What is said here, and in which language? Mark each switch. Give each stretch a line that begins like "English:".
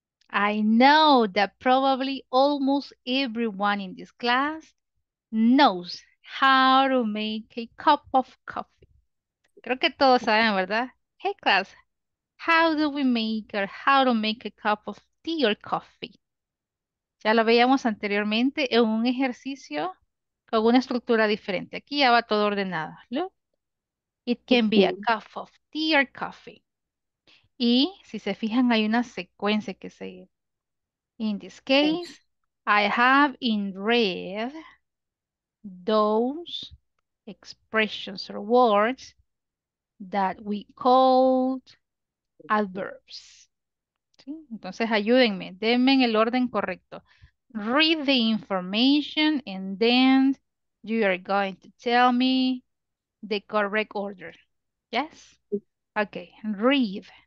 English: I know that probably almost everyone in this class knows how to make a cup of coffee.
Spanish: Creo que todos saben, ¿verdad?
English: Hey class, how do we make or how to make a cup of tea or coffee?
Spanish: Ya lo veíamos anteriormente en un ejercicio con una estructura diferente. Aquí ya va todo ordenado.
English: Look. It can be a cup of tea or coffee.
Spanish: Y si se fijan, hay una secuencia que se.
English: In this case, I have in red those expressions or words that we called adverbs.
Spanish: ¿Sí? Entonces, ayúdenme, denme el orden correcto.
English: Read the information and then you are going to tell me the correct order. Yes? Okay, read.